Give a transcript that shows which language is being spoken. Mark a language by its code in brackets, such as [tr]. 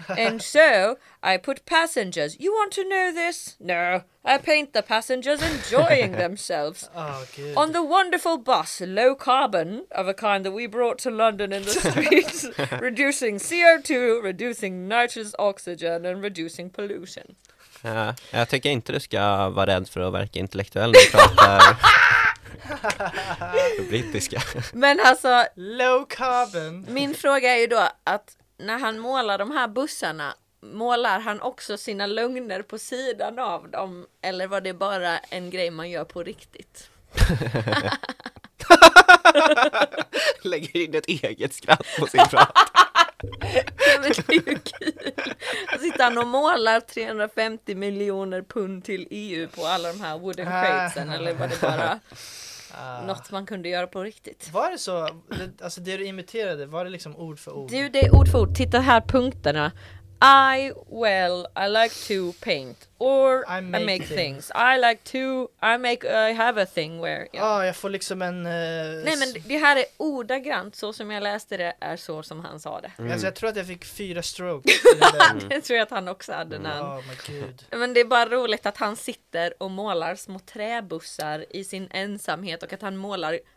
[en] And so I put passengers. You want to know this? No. I paint the passengers enjoying themselves. Oh, good. On the wonderful bus, low carbon, of a kind that we brought to London in the streets, reducing CO2, reducing nitrous oxygen, and reducing pollution. [sv] Ja, jag tycker inte du ska vara rädd för att verka intellektuell när du pratar brittiska. Men alltså, [en] low carbon. [sv] Min fråga är ju då att när han målar de här bussarna, målar han också sina lögner på sidan av dem? Eller var det bara en grej man gör på riktigt? Lägger in ett eget skratt på sin prat. Men det är ju kul. Sitter han och målar 350 miljoner pund till EU på alla de här wooden cratesen, eller var det bara något man kunde göra på riktigt? Var det så, alltså det du imiterade, var det liksom ord för ord? Du, det är ord för ord. Titta här, punkterna. [en] I, well, I like to paint. Or I make things. I like to, I make, I have a thing where. [sv] Ja, yeah. Oh, jag får liksom en... Nej, men det här är ordagrant, så som jag läste det, är så som han sa det. Mm. Alltså, jag tror att jag fick 4 stroke. Det tror jag att han också hade när han... [en] Oh my god. [sv] Men det är bara roligt att han sitter och målar små träbussar i sin ensamhet och att han målar...